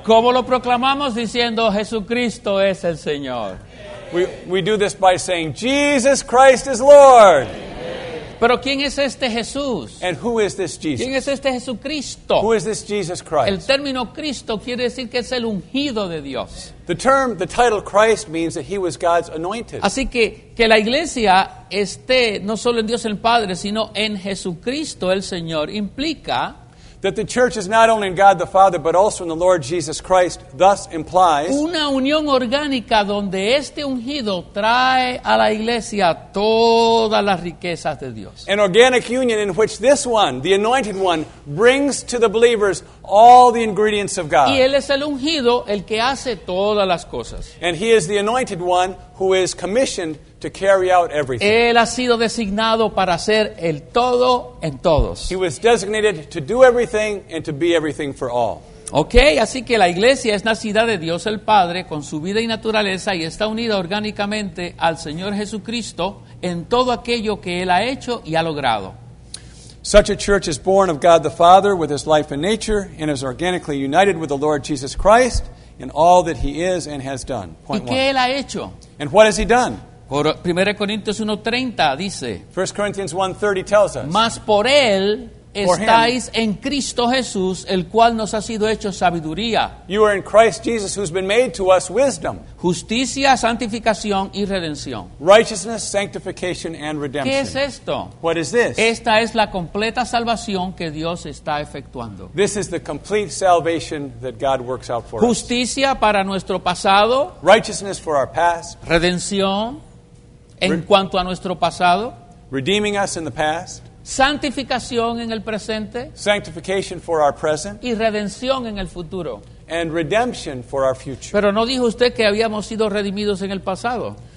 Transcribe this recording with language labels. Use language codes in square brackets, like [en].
[es] ¿Cómo lo proclamamos? Diciendo Jesucristo es el Señor. [en] We do this by saying Jesus Christ is Lord. [es] Pero ¿quién es este Jesús? [en] And who is this Jesus? [es] ¿Quién es este Jesucristo? [en] Who is this Jesus Christ? [es] El término Cristo quiere decir que es el ungido de Dios. [en] The title Christ means that he was God's anointed. [es] Así que la iglesia esté no solo en Dios el Padre, sino en Jesucristo el Señor, implica [en] that the church is not only in God the Father, but also in the Lord Jesus Christ, thus implies [es] una unión orgánica donde este ungido trae a la iglesia todas las riquezas de Dios. [en] An organic union in which this one, the anointed one, brings to the believers all the ingredients of God. [es] Y él es el ungido, el que hace todas las cosas. [en] And he is the anointed one who is commissioned to carry out everything. [es] Él ha sido designado para hacer el todo en todos. [en] He was designated to do everything and to be everything for all. [es] Okay, así que la iglesia es nacida de Dios el Padre con su vida y naturaleza y está unida orgánicamente al Señor Jesucristo en todo aquello que él ha hecho y ha logrado. [en] Such a church is born of God the Father with his life and nature and is organically united with the Lord Jesus Christ in all that he is and has done. Point [es] ¿Y qué [en] one. [es] Él ha hecho? [en] And what has he done? [es] 1 Corintios 1:30 dice, [en] 1 Corinthians 1:30 tells us, [es] mas por él estáis en Cristo Jesús, el cual nos ha sido hecho sabiduría. [en] You are in Christ Jesus who's been made to us wisdom. [es] Justicia, santificación y redención. [en] Righteousness, sanctification and redemption. [es] ¿Qué es esto? [en] What is this? [es] Esta es la completa salvación que Dios está efectuando. [en] This is the complete salvation that God works out for [es] Justicia [en] us. [es] Para nuestro pasado. [en] Righteousness for our past. [es] Redención en cuanto a nuestro pasado. [en] Redeeming us in the past. [es] Santificación en el presente. [en] Sanctification for our present. [es] Y redención en el futuro. [en] And redemption for our future. [es] Pero no dijo usted que habíamos sido redimidos en el pasado.